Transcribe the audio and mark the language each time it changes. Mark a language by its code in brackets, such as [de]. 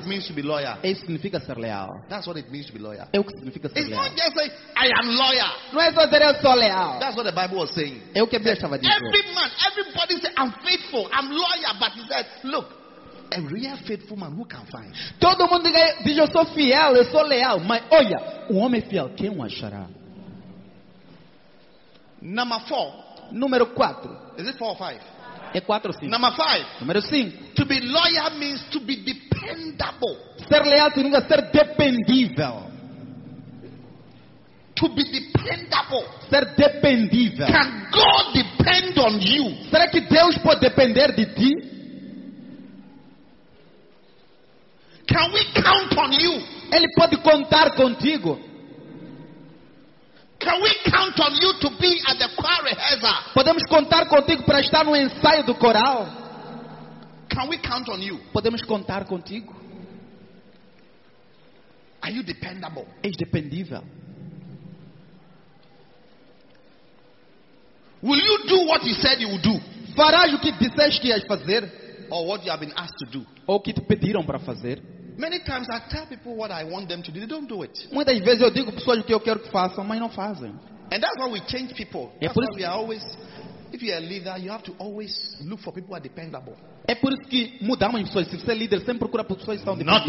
[en] What it means to be loyal. [pt] Isso significa ser leal. [en] That's what it means to be loyal. [pt] É o que significa ser [en] it's [pt] leal. [en] Not just like I am loyal. [pt] Não é só dizer eu sou leal. [en] That's what the Bible was saying. [pt] É o que a Bíblia estava dizendo. [en] Every man, everybody say I'm faithful, I'm loyal, but he said, look, a real faithful man who can find. [pt] Todo mundo diz eu sou fiel, eu sou leal, mas olha, o homem fiel quem o achará? [en] Number 4. [pt] Número 4. [en] Is it 4 or 5? [pt] É 4 ou 5. [en] Number 5. [pt] Número 5. [en] To be loyal means to be dependable. [pt] Ser leal significa ser dependível. [en] To be dependable. [pt] Ser dependível. [en] Can God depend on you? [pt] Será que Deus pode depender de ti? [en] Can we count on you? [pt] Ele pode contar contigo. [en] Can we count on you to be at the choir rehearsal? [pt] Podemos contar contigo para estar no ensaio do coral? [en] Can we count on you? [pt] Podemos contar contigo? [en] Are you dependable? [pt] És dependível? [en] Will you do what you said you would do? [pt] Farás o que disseste que ias fazer? [en] Or what you have been asked to do? [pt] Ou o que te pediram para fazer? [en] Many times I tell people what I want them to do, they don't do it. [pt] Muitas vezes eu digo às pessoas o que eu quero que façam, mas não fazem. [en] And that's why we change people. That's why we are always, if you are a leader, you have to always look for people who are dependable. [pt] É por isso que mudamos as pessoas. Se você é líder, sempre procura pessoas que são dependentes.